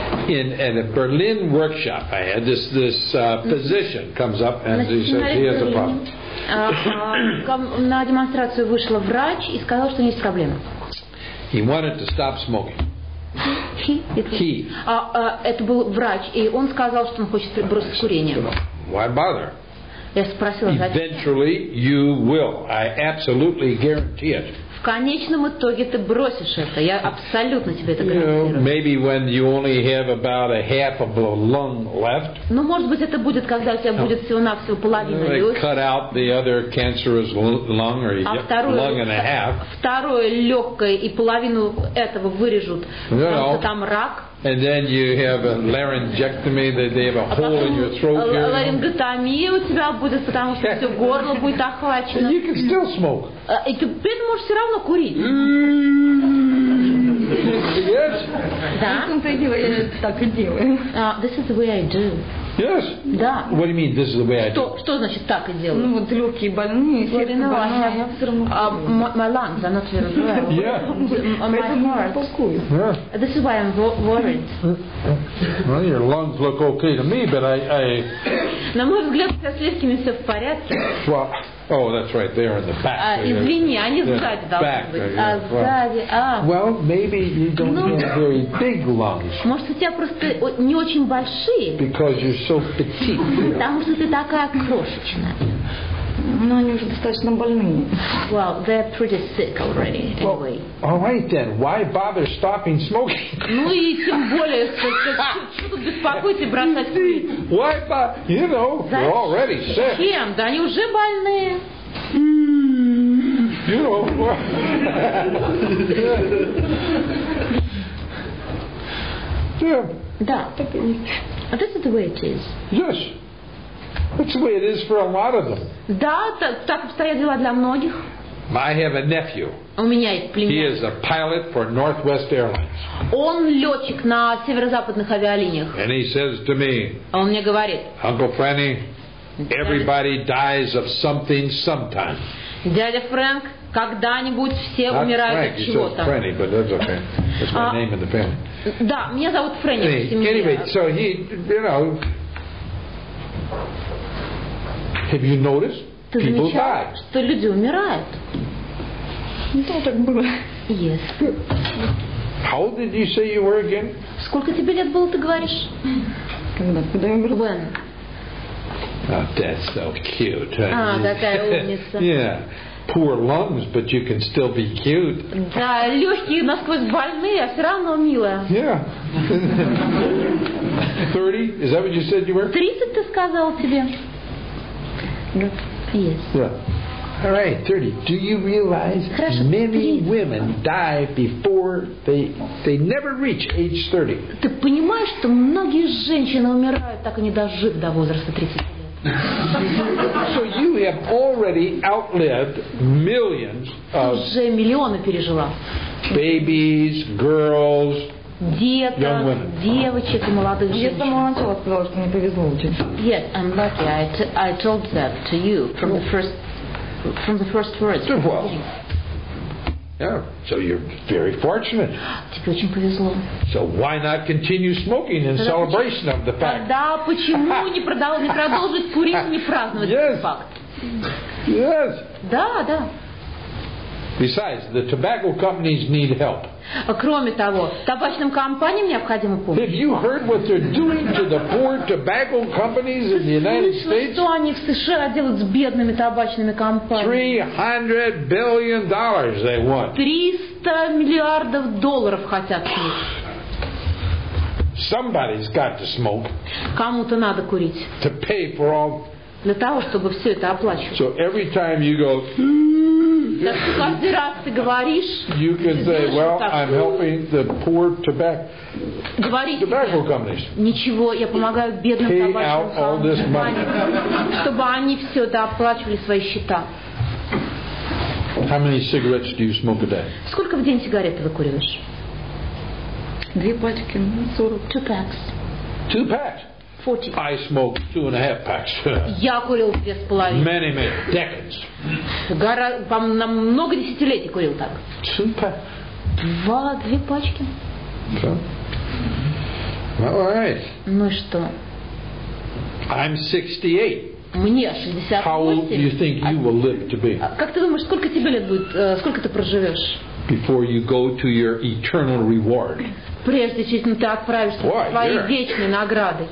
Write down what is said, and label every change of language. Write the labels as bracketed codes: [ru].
[en] In at a Berlin workshop, I had this physician comes up and he says he has a problem. [ru] На демонстрацию вышла врач и сказал, что есть проблема. [en] He wanted to stop smoking. He. [ru] Это был врач, и он сказал, что он хочет бросить курение. [en] Why bother? [ru] Я спросила. [en] Eventually you will. I absolutely guarantee it. [ru] В конечном итоге ты бросишь это. Я абсолютно тебе это гарантирую. [en] You know, maybe when you only have about a half of a lung left. [ru] Ну, может быть, это будет, когда у тебя будет всего-навсего половина легких. They cut out the other cancerous lung or lung and a half. Второе легкое и половину этого вырежут. Там рак. [en] And then you have a laryngectomy that they have a hole in your throat. [ru] А ларингектомия у тебя будет, потому что все горло будет охвачено. [en] You can still smoke. [ru] И ты можешь все равно курить. [en] Yes. [ru] Да. Так и делаю. [en] This is the way I do. Yes. [ru] Да. [en] What do you mean? This is the way I do. [ru] Что значит так и делаю? Ну вот легкие больные. [en] My lungs are not very well. Yeah. My heart. This is why I'm worried. Well, your lungs look okay to me, but I. [ru] На мой взгляд, с легкими все в порядке. [en] Oh, that's right. They're in the back. [ru] Извини, они сзади должны быть. [en] Well, maybe you don't have very big lungs. [ru] Может, у тебя просто не очень большие. [en] Because you're so petite. [ru] Потому что ты такая крошечная. Но они уже достаточно больные. [en] Well, they're pretty sick already, anyway. Well, all right then. Why bother stopping smoking? [ru] Ну и тем более, что тут беспокоить и бросать курить? [en] Why bother? You know, they're already sick. [ru] Чем? Да они уже больные. [en] You know. Да. This is the way it is. Yes. That's the way it is for a lot of them. [ru] Да, так обстоят дела для многих. [en] I have a nephew. [ru] У меня есть племянник. [en] He is a pilot for Northwest Airlines. [ru] Он летчик на северо-западных авиалиниях. [en] And he says to me. [ru] Он мне говорит. [en] Uncle Franny, everybody dies of something sometime. [ru] Дядя Фрэнк, когда-нибудь все умирают от чего-то. [en] Not Franny, but that's okay. That's my name in the family. [ru] Да, меня зовут Фрэнни. [en] Anyway, so he, you know, have you noticed? [ru] Ты замечал, что люди умирают? Не знаю, так было. [en] Yes. How old did you say you were again? [ru] Сколько тебе лет было, ты говоришь? Когда я умер? [en] When? Oh, that's so cute. Huh? [ru] Такая умница. [en] Yeah. Poor lungs, but you can still be cute. [ru] Да, легкие насквозь больные, а все равно милая. [en] Yeah. 30? Is that what you said you were? [ru] 30, ты сказал тебе. [en] Yes. Yeah. Right, 30. Do you realize many women die before they never reach age 30? [ru] Ты понимаешь, что многие женщины умирают, так и не дожив до возраста 30? [en] So you have already outlived millions of [ru] уже миллионы пережила. [en] Babies, girls, young women. [ru] Девочек и молодых женщин. Я сама начала, сказала, что мне повезло очень. [en] Yes, I'm lucky. I told that to you from the first words. Well, yeah. So you're very fortunate. [ru] Тебе очень повезло. [en] So why not continue smoking in celebration of the fact? [ru] Да почему не продолжить курить и не праздновать этот факт? [en] Yes. [ru] Да, да. [en] Besides, the tobacco companies need help. [ru] Кроме того, табачным компаниям необходима помощь. [en] Have you heard what they're doing to the poor tobacco companies in the United States? [ru] Что они в США делают с бедными табачными компаниями? [en] $300 billion they want. [ru] $300 миллиардов хотят. [en] Somebody's got to smoke. [ru] Кому-то надо курить. [en] To pay for all. [ru] Для того, чтобы все это оплачивать. [en] So every time you go. You can say, well, I'm helping the poor tobacco companies. [ru] Ничего, я помогаю бедным табачным компаниям, чтобы они все это оплачивали свои счета. [en] How many cigarettes do you smoke a day? [ru] Сколько в день сигарет ты выкуриваешь? Две пачки, 40. [en] Two packs. Two packs. 40. I smoked 2.5 packs. [ru] Я курил 2.5. [en] Many decades. [ru] На много десятилетий курил так. [en] 2 packs. [ru] Две пачки. [en] All right. [ru] Ну и что? [en] I'm 68. [ru] Мне 68. [en] How old do you think you will live to be? [ru] Как ты думаешь, сколько тебе лет будет, сколько ты проживешь? [en] Before you go to your eternal reward. [ru] Прежде чем ты отправишься к твоей вечной награде.